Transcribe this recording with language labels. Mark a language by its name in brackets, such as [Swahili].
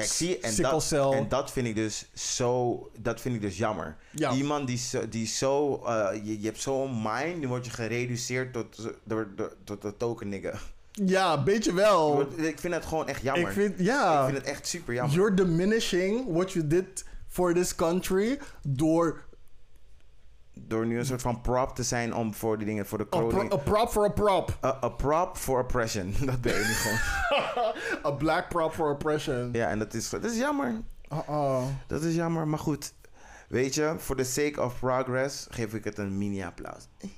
[Dutch] Kijk, zie, en sickle cell. En dat vind ik dus zo... Dat vind ik dus jammer. Ja. Iemand die zo... Je hebt zo'n mind, die word je gereduceerd tot de token nigga. Ja, beetje wel. Ik vind het gewoon echt jammer. Ik vind het echt super jammer. [English] You're diminishing what you did for this country door... [Dutch] Door nu een soort van prop te zijn om voor die dingen, voor de coding. [English] A prop for a prop. A prop for oppression. [Dutch] Dat ben je niet gewoon. [English] A black prop for oppression. [Dutch] Ja, en dat is jammer. Uh-oh. Dat is jammer, maar goed. Weet je, [English] for the sake of progress [Dutch] geef ik het een mini-applaus.